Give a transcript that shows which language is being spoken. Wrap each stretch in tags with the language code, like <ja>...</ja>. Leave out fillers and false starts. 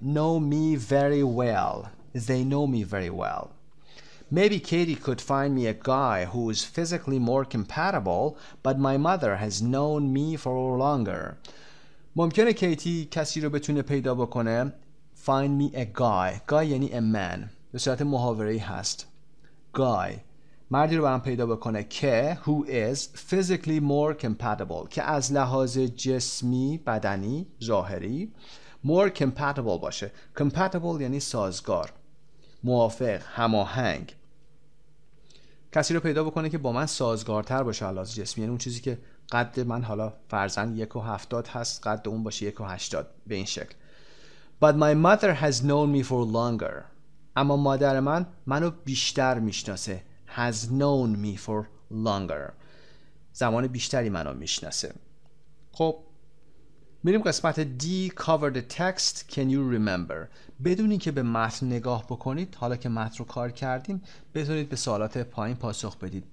<en>Know me very well. They know me very well. Maybe Katie could find me a guy who is physically more compatible, but my mother has known me for longer.</en> <fa>ممکنه کیتی کسی رو بتونه پیدا بکنه.</fa> <en>Find me a guy. Guy یعنی a man.</en> <fa>به صورت محاوره‌ای هست.</fa> <en>Guy.</en> <fa>مردی رو برام پیدا بکنه که</fa> <en>who is physically more compatible.</en> <fa>که از لحاظ جسمی، بدنی، ظاهری</fa> <en>more compatible</en> <fa>باشه. Compatible یعنی سازگار. موافق، هماهنگ. کسی رو پیدا بکنه که با من سازگارتر باشه علاوه بر جسمی، یعنی اون چیزی که قد من حالا فرضاً 1.70 هست قد اون باشه 1.80 به این شکل.</fa> <en>But my mother has known me for longer.</en> <fa>اما مادر من منو بیشتر میشناسه.</fa> <en>Has known me for longer.</en> <fa>زمان بیشتری منو میشناسه. خب میریم قسمت</fa> <en>D. Cover the text. Can you remember?</en> <fa>بدون این که به متن نگاه بکنید، حالا که متن رو کار کردیم، بتونید به سوالات پایین پاسخ بدید.</fa>